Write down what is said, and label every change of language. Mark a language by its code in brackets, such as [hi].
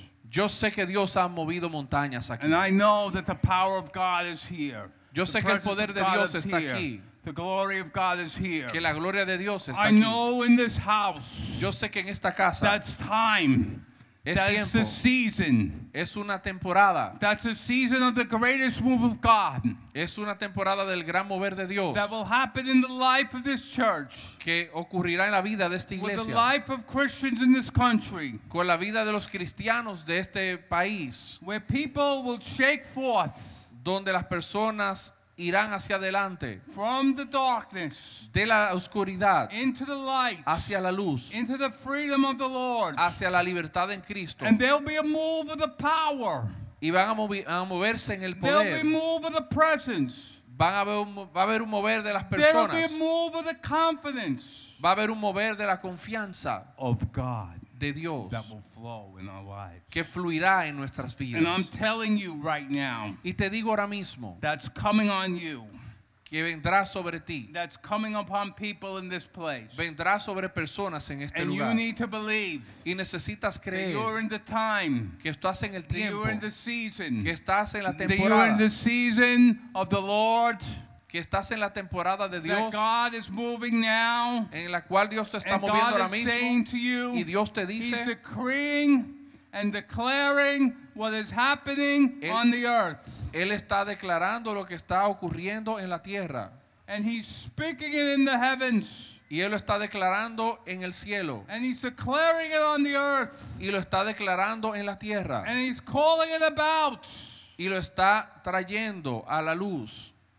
[es] Yo sé que Dios ha movido montañas aquí. [en] And I know that the power of God is here. [es] Yo sé que el poder de Dios está aquí. [en] The glory of God is here. [es] Que la gloria de Dios está aquí. [en] I know in this house. [es] Yo sé que en esta casa. [en] That's time. [es] Es [en] that [es] tiempo. [en] Is the season. [es] Es una temporada. [en] That's the season of the greatest move of God. [es] Es una temporada del gran mover de Dios. [en] That will happen in the life of this church. [es] Que ocurrirá en la vida de esta iglesia. [en] With the life of Christians in this country. [es] Con la vida de los cristianos de este país. [en] Where people will shake forth. [es] Donde las personas irán hacia adelante [en] from the darkness, [es] de la oscuridad [en] into the light, [es] hacia la luz [en] into the freedom of the Lord. [es] Hacia la libertad en Cristo [en] and there'll be a move of the power. [es] Y van a moverse en el poder [en] there'll be a move of the presence. [es] Va a haber un mover de las personas [en] there'll be a move of the confidence. [es] Va a haber un mover de la confianza [en] of God [es] de Dios [en] that will flow in our lives. [es] Que fluirá en nuestras vidas. [en] And I'm telling you right now, [es] y te digo ahora mismo, [en] that's coming on you. [es] Que vendrá sobre ti. [en] That's coming upon people in this place. [es] Vendrá sobre personas en este [en] and [es] lugar. [en] You need to believe [es] y necesitas creer [en] that you're in the time, [es] que estás en el tiempo, [en] that you're in the season, [es] que estás en la temporada, [en] that you're in the season of the Lord, [es] que estás en la temporada de Dios, [en] that God is moving now, [es] en la cual Dios te está moviendo ahora mismo, [en] saying to you, [es] y Dios te dice, [en] he's decreeing and declaring what is happening on the earth. [es] Él está declarando lo que está ocurriendo en la tierra. [en] And he's speaking it in the heavens. [es] Y él lo está declarando en el cielo. [en] And he's declaring it on the earth. [es] Y lo está declarando en la tierra. [en] And he's calling it about. [es] Y lo está trayendo a la luz.